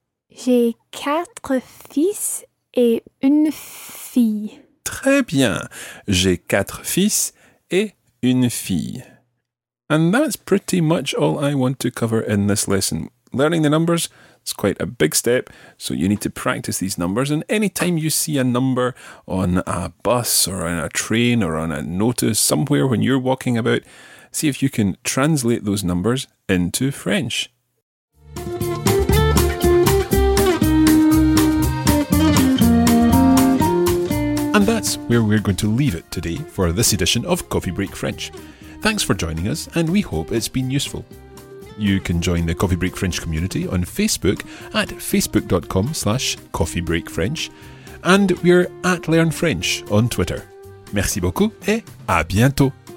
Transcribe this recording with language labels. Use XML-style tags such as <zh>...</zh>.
<fr>J'ai quatre fils et une fille. Très bien. J'ai quatre fils et une fille.</fr> <en>And that's pretty much all I want to cover in this lesson. Learning the numbers is quite a big step, so you need to practice these numbers. And any time you see a number on a bus or on a train or on a notice somewhere when you're walking about, see if you can translate those numbers into French. And that's where we're going to leave it today for this edition of Coffee Break French. Thanks for joining us, and we hope it's been useful. You can join the Coffee Break French community on Facebook at facebook.com/coffeebreakfrench, and we're at Learn French on Twitter.</en> <fr>Merci beaucoup et à bientôt!</fr>